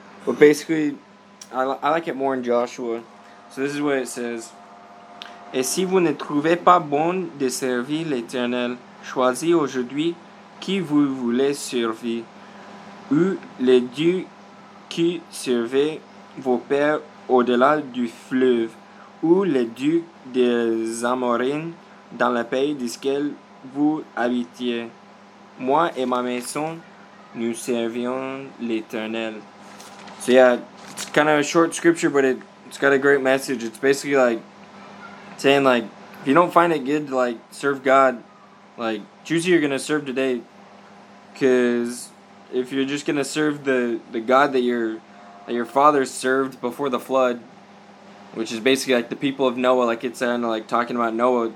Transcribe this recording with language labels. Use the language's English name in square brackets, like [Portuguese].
[English] But basically, I like it more in Joshua. So this is what it says. [French] Et si vous ne trouvez pas bon de servir l'Éternel, choisis aujourd'hui qui vous voulez servir, ou les dieux qui servaient vos pères au-delà du fleuve, ou les dieux des Amorins dans le pays duquel vous habitiez. Moi et ma maison, nous servions l'Éternel. [English] So yeah, it's kind of a short scripture, but it's got a great message. It's basically like saying, like, if you don't find it good to, like, serve God, like, choose who you're going to serve today. Because if you're just going to serve the God that your father served before the flood, which is basically, like, the people of Noah, like, it's kind of, like, talking about Noah.